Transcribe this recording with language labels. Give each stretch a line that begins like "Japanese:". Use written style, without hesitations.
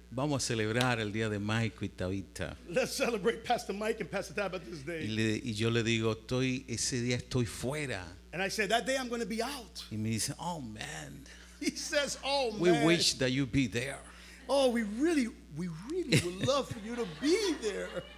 Spanish: vamos a celebrar el día de Mike y Tabitha.
English: Let's celebrate Pastor Mike and Pastor Tabitha's day.
Spanish: Y yo le digo, ese día estoy fuera.
English: And I said, that day I'm going to be out.
Spanish: Y me dice,
English: oh man. He says, oh we man. We wish that you'd be there. Oh, we really would love for you to be there.